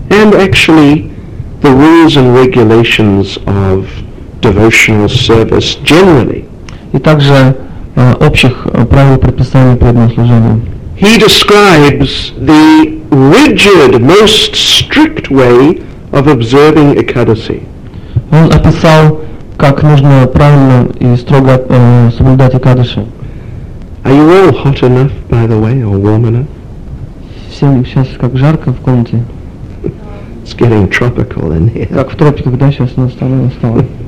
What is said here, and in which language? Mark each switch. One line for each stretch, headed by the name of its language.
English: And actually, the rules and regulations of devotional service generally.
Russian: И также общих правил предписаний преданного служения.
English: He describes the rigid, most strict way of observing Ekadasi.
Russian: Он описал, как нужно правильно и строго соблюдать Экадаши.
English: Are you all hot enough, by the way, or warm enough?
Russian: Всем сейчас как жарко в комнате.
English: It's getting tropical in here.
Russian: Как в тропиках, да, сейчас настало.